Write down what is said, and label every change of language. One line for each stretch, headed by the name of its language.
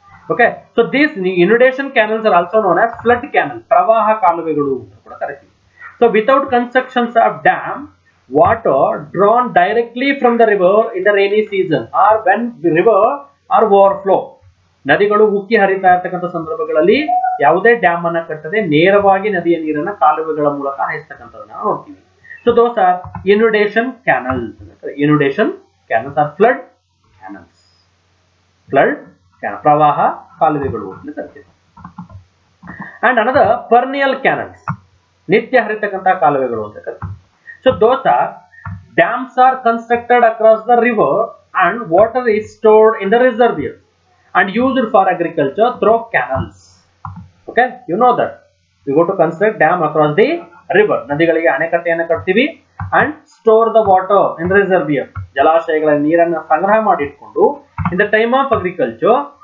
English: Okay, so these inundation canals are also known as flood canals.
Kannada: Pravaha kaluvegalu.
English: So without constructions of dam, water drawn directly from the river in the rainy season or when the river or overflow.
Kannada: ನದಿಗಳು ಉಕ್ಕಿ ಹರಿತಾ ಇರತಕ್ಕಂತ ಸಂದರ್ಭಗಳಲ್ಲಿ ಯಾವುದೇ dam ಅನ್ನ ಕಟ್ಟದೆ ನೇರವಾಗಿ ನದಿಯ ನೀರನ್ನ ಕಾಲುವೆಗಳ ಮೂಲಕ ಹಾಯಿಸ್ತಕ್ಕಂಥದನ್ನ ನೋಡ್ತೀವಿ.
English: So those are inundation canals. Inundation canals are flood canals.
Kannada: Flood ಪ್ರವಾಹ ಕಾಲುವೆಗಳು ಅಂತ ಕರಿತೀವಿ.
English: and another perennial canals,
Kannada: ನಿತ್ಯ ಹರಿತಕ್ಕಂತಹ ಕಾಲುವೆಗಳು ಅಂತ ಕರಿತೀವಿ.
English: So those are dams are constructed across the river and water is stored in the reservoir and used for agriculture through canals. Okay, you know that we go to construct dam across the river,
Kannada: nadigalige anekatteyana kattivi
English: and store the water in the reservoir,
Kannada: jalashayagala neeranna sangraha maadi ittkondu
English: in the time of agriculture.